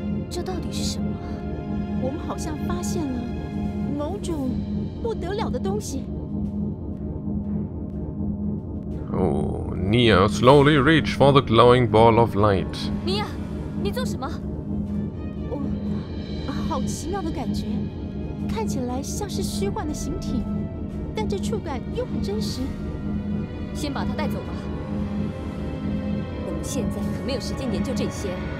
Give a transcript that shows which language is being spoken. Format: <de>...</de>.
<zh>这到底是什么？我们好像发现了某种不得了的东西。</zh> <en>Oh, Nia, slowly reach for the glowing ball of light.</en> <zh>Nia, 你做什么？我，好奇妙的感觉，看起来像是虚幻的形体，但这触感又很真实。先把它带走吧。我们现在可没有时间研究这些。</zh>